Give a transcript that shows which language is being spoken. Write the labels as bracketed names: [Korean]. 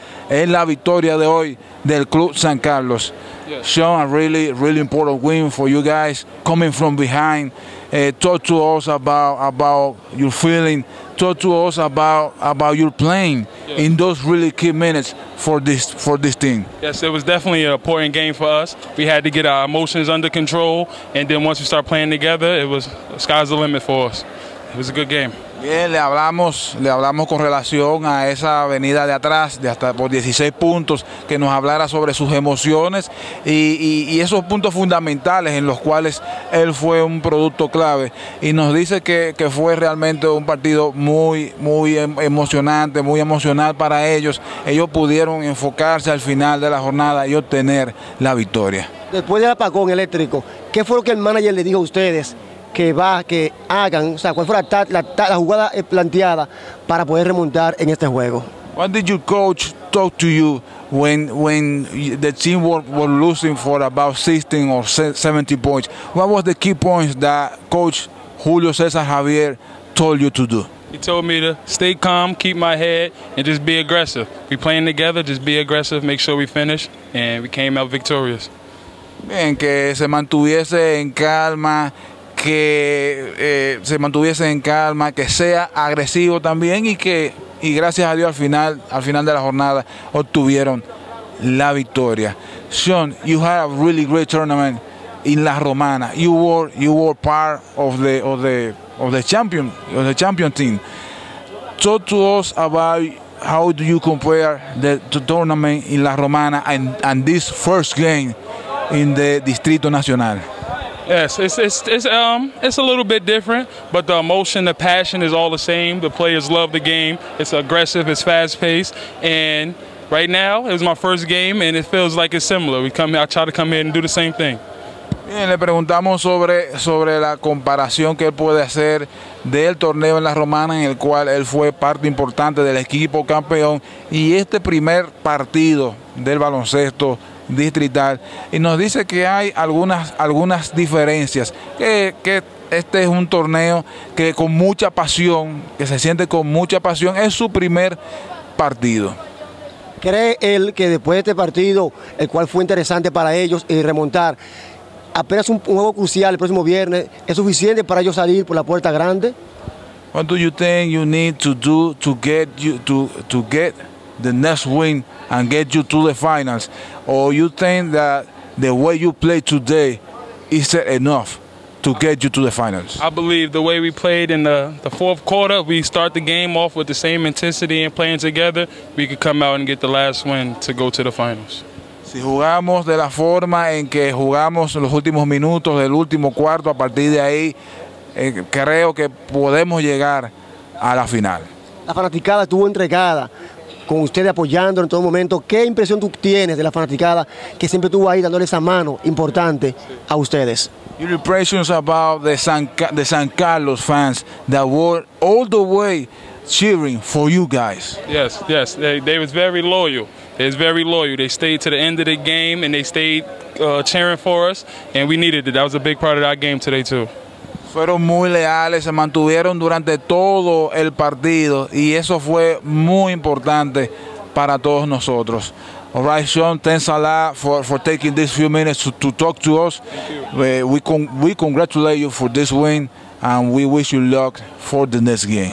[Spanish] Es la victoria de hoy del Club San Carlos. [English] Sean, a really, really important win for you guys coming from behind. Talk to us about your feeling. Talk to us about your playing in those really key minutes for this team. Yes, it was definitely an important game for us. We had to get our emotions under control, and then once we start playing together, the sky's the limit for us. It was a good game. [Spanish] Bien, le hablamos con relación a esa venida de atrás, de hasta por 16 puntos, que nos hablara sobre sus emociones y esos puntos fundamentales en los cuales él fue un producto clave. Y nos dice que fue realmente un partido muy, muy emocionante, muy emocional para ellos. Ellos pudieron enfocarse al final de la jornada y obtener la victoria. Después del apagón eléctrico, ¿qué fue lo que el manager le dijo a ustedes? Que hagan, o sea, cuál fue la jugada planteada para poder remontar en este juego. [English] What did your coach talk to you when the team were losing for about 16 or 70 points? What was the key points that coach Julio César Javier told you to do? He told me to stay calm, keep my head, and just be aggressive. We playing together, just be aggressive, make sure we finish, and we came out victorious. [Spanish] Bien, que se mantuviese en calma, que se mantuviese en calma, que sea agresivo también y gracias a Dios al final de la jornada obtuvieron la victoria. [English] Sean, you had a really great tournament in La Romana. You were part of the champion team. Talk to us about how do you compare the tournament in La Romana and this first game in the Distrito Nacional. Yes, it's a little bit different, but the emotion, the passion is all the same. The players love the game. It's aggressive, it's fast-paced, and right now it was my first game, and it feels like it's similar. I try to come here and do the same thing. [Spanish] Bien, le preguntamos sobre la comparación que él puede hacer del torneo en La Romana, en el cual él fue parte importante del equipo campeón, y este primer partido del baloncesto distrital, y nos dice que hay algunas diferencias, que este es un torneo que con mucha pasión, que se siente con mucha pasión, es su primer partido. ¿Cree él que después de este partido, el cual fue interesante para ellos y remontar, apenas un juego crucial el próximo viernes, es suficiente para ellos salir por la puerta grande? [English] What do you think you need to do to get you to get the next win and get you to the finals? Or you think that the way you play today is enough to get you to the finals? I believe the way we played in the fourth quarter, we start the game off with the same intensity and playing together, we could come out and get the last win to go to the finals. [Spanish] Si jugamos de la forma en que jugamos los últimos minutos del último cuarto, a partir de ahí, creo que podemos llegar a la final. La fanaticada estuvo entregada con ustedes apoyándolo en todo momento. ¿Qué impresión tú tienes de la fanaticada que siempre estuvo ahí dándole esa mano importante a ustedes? [English] Your impressions about the San Carlos fans that were all the way cheering for you guys. Yes, yes. They was very loyal. They was very loyal. They stayed to the end of the game and they stayed cheering for us. And we needed it. That was a big part of our game today too. [Spanish] Fueron muy leales, se mantuvieron durante todo el partido y eso fue muy importante para todos nosotros. [English] All right, Sean, thanks a lot for taking these few minutes to talk to us. We congratulate you for this win and we wish you luck for the next game.